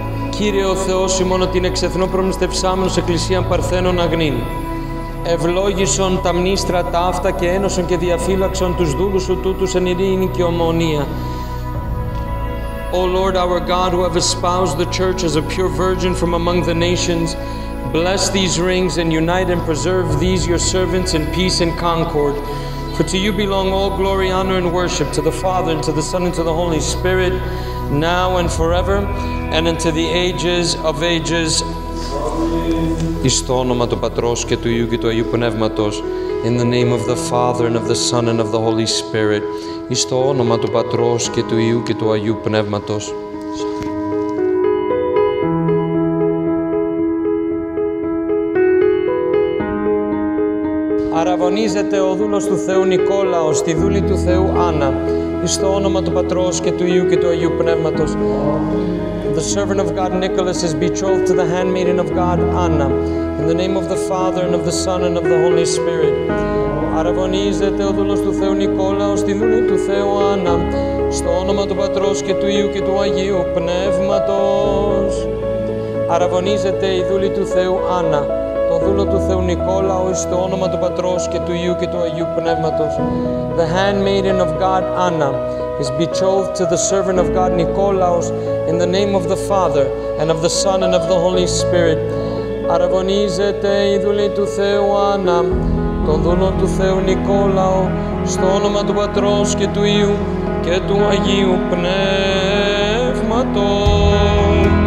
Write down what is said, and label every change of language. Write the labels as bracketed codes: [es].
[el] Κύριε ο Θεός ημών ότι είναι εξεθνό προμηστευσάμενος εκκλησίαν παρθένων αγνήν. Ευλόγησον τα μνήστρα τα αυτά και ένωσον και διαφύλαξον τους δούλους σου τούτους εν ειρήνη και ομονία. [en] O Lord, our God, who have espoused the Church as a pure virgin from among the nations, bless these rings and unite and preserve these your servants in peace and concord. For to you belong all glory, honor, and worship, to the Father, and to the Son, and to the Holy Spirit, now and forever, and into the ages of ages. [el] Εις το όνομα του Πατρός και του Υιού και του Αγίου Πνεύματος, [en] in the name of the Father, and of the Son, and of the Holy Spirit, [el] εις το όνομα του Πατρός και του Υιού και του Αγίου Πνεύματος. Αραβωνίζεται ο δούλος του Θεού Νικόλαος, τη δούλη του Θεού Άννα, εις το όνομα του Πατρός και του Υιού και του Αγίου Πνεύματος. [en] The servant of God Nicholas is betrothed to the handmaiden of God Anna. In the name of the Father and of the Son and of the Holy Spirit. [el] Αραβωνίζεται ο δούλος του Θεού Νικόλαος, τη δούλη του Θεού Άννα, στο όνομα του Πατρός και του Υιού και του Αγίου Πνεύματος. Αραβωνίζεται η δούλη του Θεού Άννα, το δούλο του Θεού Νικόλαος, στο όνομα του Πατρός και του Υιού και του Αγίου Πνεύματος. [en] The handmaiden of God Anna is betrothed to the servant of God Nicolaos in the name of the Father and of the Son and of the Holy Spirit. [el] Αραβωνίζεται η δούλη του Θεού Άννα, τον δούλο του Θεού Νικόλαο, στο όνομα του Πατρός και του Υιού και του Αγίου Πνεύματος.